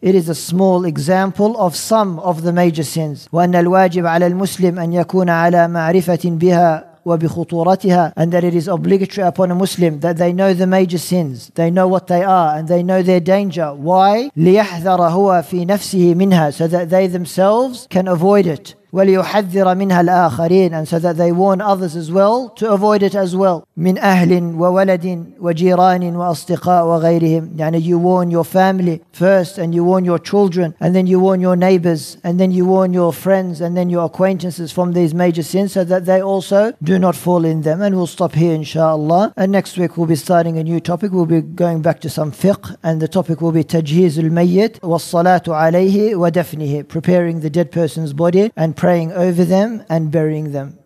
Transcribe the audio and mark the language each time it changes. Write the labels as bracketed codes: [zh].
[en] It is a small example of some of the major sins. [ar] وأن الواجب على المسلم أن يكون على معرفة بها وبخطورتها. [en] And that it is obligatory upon a Muslim that they know the major sins, they know what they are and they know their danger. Why? [ar] ليحذر هو في نفسه منها, [en] so that they themselves can avoid it. [ar] وليحذر منها الآخرين, [en] and so that they warn others as well to avoid it as well. [ar] من أهل وولد وجيران وأصدقاء وغيرهم. يعني [en] you warn your family first and you warn your children and then you warn your neighbors and then you warn your friends and then your acquaintances from these major sins so that they also do not fall in them. And we'll stop here inshallah, and next week we'll be starting a new topic. We'll be going back to some fiqh, and the topic will be [ar] تجهيز الميت والصلاة عليه ودفنه, [en] preparing the dead person's body and praying over them and burying them.